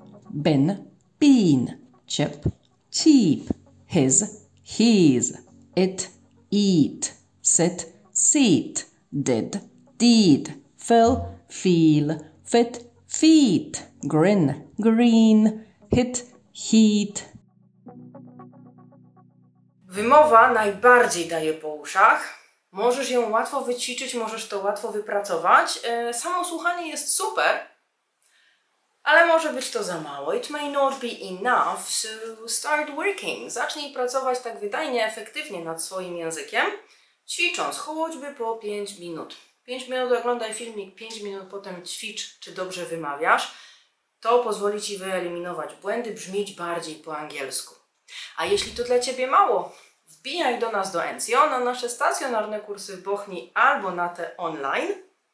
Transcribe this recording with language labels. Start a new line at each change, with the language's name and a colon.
English: Bin, bean, chip, cheap, his, he's, it, eat, sit, seat, did, deed, fill, feel, fit, feet, grin, green, hit, heat.
Polish: Wymowa najbardziej daje po uszach. Możesz ją łatwo wyćwiczyć, możesz to łatwo wypracować. Samo słuchanie jest super, ale może być to za mało.
English: It may not be enough, so start working.
Polish: Zacznij pracować tak wydajnie, efektywnie nad swoim językiem. Ćwicząc, choćby po 5 minut. 5 minut oglądaj filmik, 5 minut potem ćwicz, czy dobrze wymawiasz. To pozwoli Ci wyeliminować błędy, brzmieć bardziej po angielsku. A jeśli to dla Ciebie mało, wbijaj do nas do Encio, na nasze stacjonarne kursy w Bochni albo na te online.